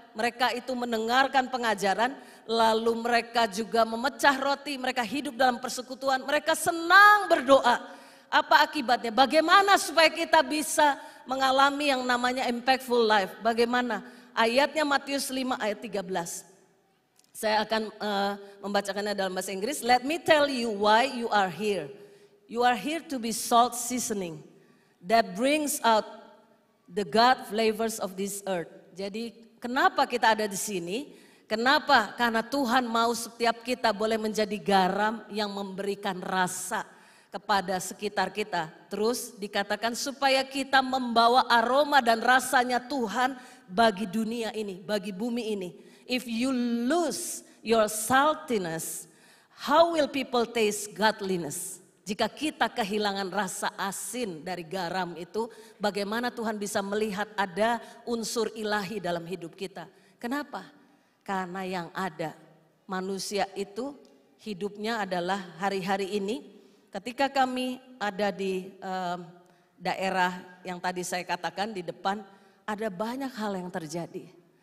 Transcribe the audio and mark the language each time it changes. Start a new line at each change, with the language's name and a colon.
Indonesian: Mereka itu mendengarkan pengajaran, lalu mereka juga memecah roti, mereka hidup dalam persekutuan, mereka senang berdoa. Apa akibatnya? Bagaimana supaya kita bisa mengalami yang namanya
English: impactful life?
Indonesian: Bagaimana? Ayatnya Matius 5 ayat 13. Saya akan membacakannya dalam bahasa Inggris.
English: Let me tell you why you are here. You are here to be salt seasoning that brings out the God flavors of this earth.
Indonesian: Jadi kenapa kita ada di sini? Kenapa? Karena Tuhan mau setiap kita boleh menjadi garam yang memberikan rasa kepada sekitar kita. Terus dikatakan supaya kita membawa aroma dan rasanya Tuhan bagi dunia ini, bagi bumi ini.
English: If you lose your saltiness, how will people taste godliness?
Indonesian: Jika kita kehilangan rasa asin dari garam itu, bagaimana Tuhan bisa melihat ada unsur ilahi dalam hidup kita? Kenapa? Karena yang ada, manusia itu hidupnya adalah hari-hari ini. Ketika kami ada di daerah yang tadi saya katakan di depan, ada banyak hal yang terjadi.